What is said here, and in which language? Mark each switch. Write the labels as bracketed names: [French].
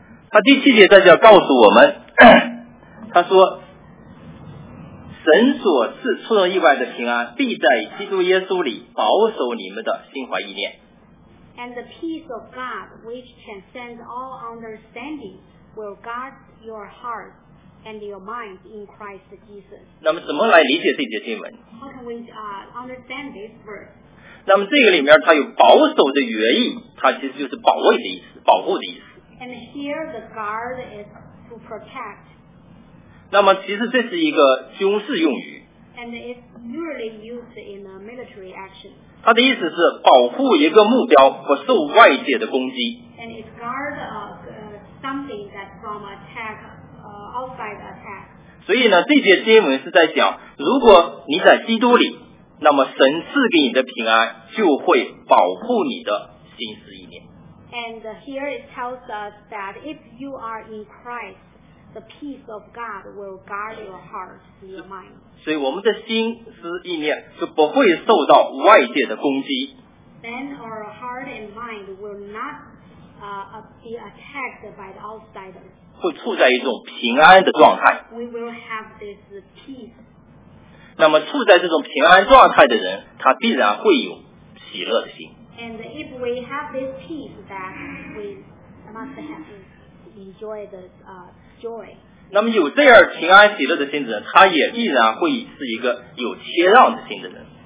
[Chinese] 他第七节在这告诉我们，他说。神所赐出人意外的平安必在基督耶稣里保守你们的心怀意念。 [English] And the peace of God which transcends all understanding will guard your hearts and your minds in Christ Jesus. [Chinese] 那么怎么来理解这节经文？ [English] How can we understand this verse? [Chinese] 那么这个里面它有保守的原意，它其实就是保卫的意思，保护的意思。 [English] And here the guard is to protect. [Chinese] 那么其实这是一个军事用语。 [English] And it's usually used in a military action. [Chinese] 它的意思是保护一个目标不受外界的攻击。 [English] And it guards something that from attack, outside attack. [Chinese] 所以呢，这节经文是在讲，如果你在基督里，那么神赐给你的平安就会保护你的心思意念。 [English] And here it tells us that if you are in Christ,The peace of God will guard your heart and your mind. [Chinese] 所以我们的心思意念就不会受到外界的攻击。 [English] Then our heart and mind will not be attacked by the outsiders. [Chinese] 会处在一种平安的状态。 [English] We will have this peace. [Chinese] 那么处在这种平安状态的人，他必然会有喜乐的心。 [English] And if we have this peace, that we must have enjoy the [Chinese] 那么有这样平安喜乐的心的人，他也必然会是一个有谦让的心的人。